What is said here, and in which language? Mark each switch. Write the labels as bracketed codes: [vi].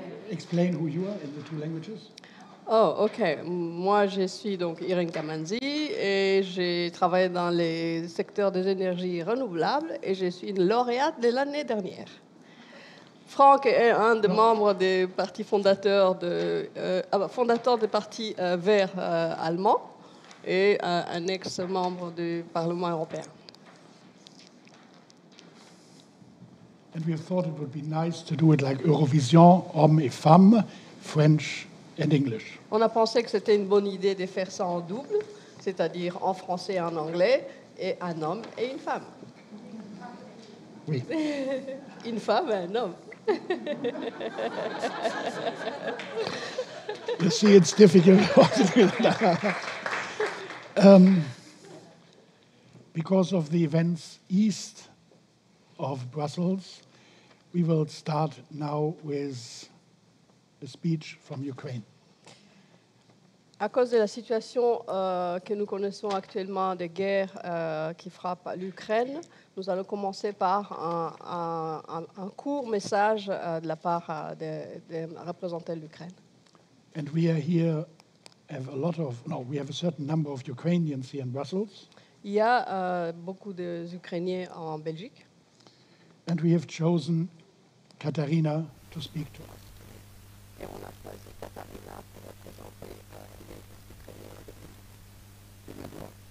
[en] Explain who you are in the two languages. Oh, OK. [fr] Moi, je suis donc Irène Kamanzi et j'ai travaillé dans le secteur des énergies renouvelables et je suis une lauréate de l'année dernière. Franck est un des membres des partis fondateurs fondateur des partis verts allemand et un ex-membre du Parlement européen. [en] And we thought it would be nice to do it like Eurovision, [fr] hommes et femmes, [en] French and English. [fr] On a pensé que c'était une bonne idée de faire ça en double, c'est-à-dire en français et en anglais, et un homme et une femme. Oui. Une femme et un homme. [en] You see, it's difficult. because of the events east of Brussels, we will start now with a speech from Ukraine. [fr] À cause de la situation que nous connaissons actuellement de guerre qui frappe l'Ukraine, nous allons commencer par un court message de la part de représentants de l'Ukraine. [en] And we are here have a lot of no we have a certain number of Ukrainians here in Brussels. [fr] Il y a beaucoup de Ukrainiens en Belgique. [en] And we have chosen Katharina to speak to. [fr] Et on a choisi Katharina pour représenter les Ukrainiens de Mabuila.